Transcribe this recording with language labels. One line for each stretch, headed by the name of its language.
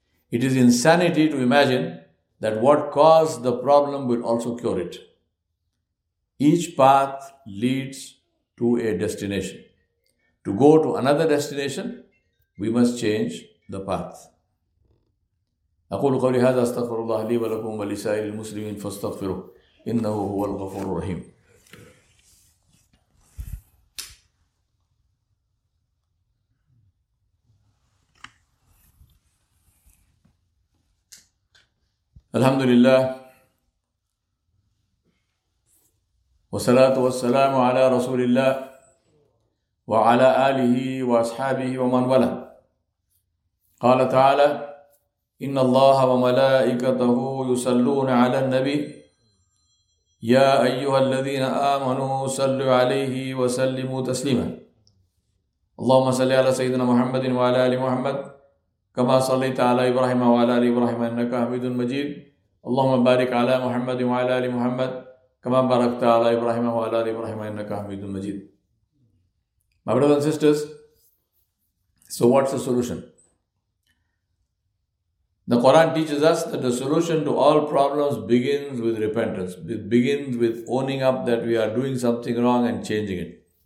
English: It is insanity to imagine that what caused the problem will also cure it. Each path leads to a destination. To go to another destination, we must change the path.
Arabic: أقول قولي هذا استغفر الله لي ولكم ولسائر المسلمين فاستغفروه إنه هو الغفور الرحيم. الحمد لله والصلاة والسلام على رسول الله وعلى آله وأصحابه ومن والاه. قال تعالى إن الله وملائكته يصلون على النبي يا أيها الذين آمنوا صلوا عليه وسلموا تسليما. اللهم صل على سيدنا محمد وعلى آل محمد كما صليت على إبراهيم وعلى آل إبراهيم إنك حميد مجيد. اللهم بارك على محمد وعلى آل محمد كما باركت على إبراهيم وعلى آل إبراهيم إنك حميد مجيد.
English: My brothers and sisters, so what's the solution? The Quran teaches us that the solution to all problems begins with repentance. It begins with owning up that we are doing something wrong and changing it.